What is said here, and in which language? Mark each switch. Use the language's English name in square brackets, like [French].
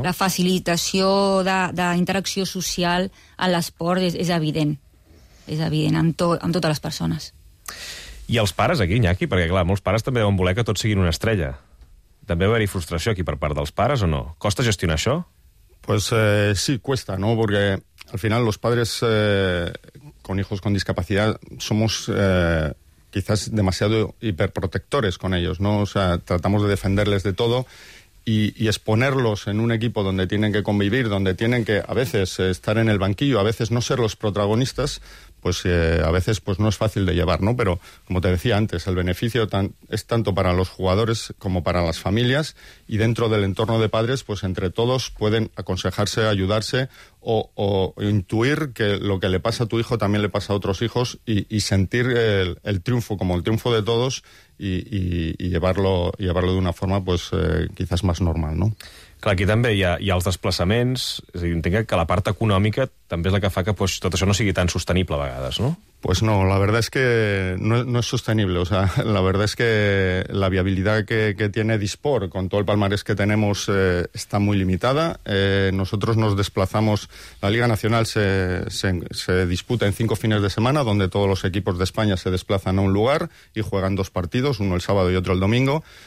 [Catalan] La facilitació d'interacció social a l'esport és evident. És evident, amb totes les persones. I els pares aquí, Iñaki? Perquè, clar, molts pares també deuen voler que tots siguin una estrella. També va haver-hi frustració aquí per part dels pares, o no? Costa gestionar això? [Spanish] Pues sí, cuesta, ¿no? Porque al final los padres con hijos con discapacidad somos quizás demasiado hiperprotectores con ellos, ¿no? O sea, tratamos de defenderles de todo. Y exponerlos en un equipo donde tienen que convivir, donde tienen que a veces estar en el banquillo, a veces no ser los protagonistas, pues a veces pues no es fácil de llevar, ¿no? Pero, como te decía antes, el beneficio es tanto para los jugadores como para las familias, y dentro del entorno de padres, pues entre todos pueden aconsejarse, ayudarse o intuir que lo que le pasa a tu hijo también le pasa a otros hijos y sentir el triunfo como el triunfo de todos y llevarlo de una forma pues quizás más normal, ¿no? [Catalan] Clar, aquí també hi ha els desplaçaments, és a dir, entenc que la part econòmica també és la que fa que pues, tot això no sigui tan sostenible a vegades, no? [Spanish] Pues no, la verdad es que no es sostenible, o sea, la verdad es que la viabilidad que tiene Disport con todo el palmarés que tenemos está muy limitada. Nosotros nos desplazamos, la Liga Nacional se disputa en 5 fines de semana, donde todos los equipos de España se desplazan a un lugar y juegan 2 partidos, uno el sábado y otro el domingo.